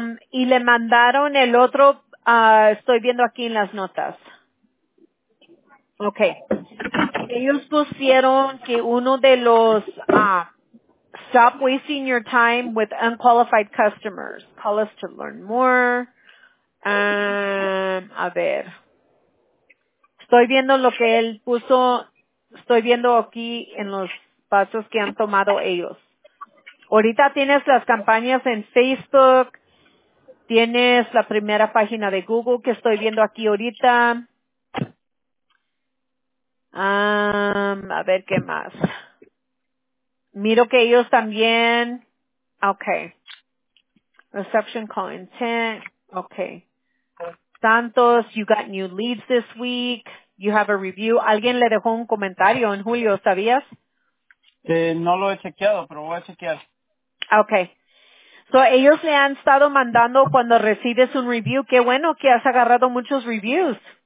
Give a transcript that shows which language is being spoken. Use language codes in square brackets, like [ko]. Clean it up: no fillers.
[es] Y le mandaron el otro, estoy viendo aquí en las notas. Okay. Ellos pusieron que uno de los... [en] Stop wasting your time with unqualified customers. Call us to learn more. [es] A ver. Estoy viendo lo que él puso. Estoy viendo aquí en los pasos que han tomado ellos. Ahorita tienes las campañas en Facebook. Tienes la primera página de Google que estoy viendo aquí ahorita. A ver qué más. Miro que ellos también, okay, [en] reception call intent, [es] okay. [en] Santos, you got new leads this week, you have a review. [es] ¿Alguien le dejó un comentario en julio, sabías? No lo he chequeado, pero voy a chequear. Okay. So, ellos le han estado mandando cuando recibes un review. Qué bueno que has agarrado muchos reviews.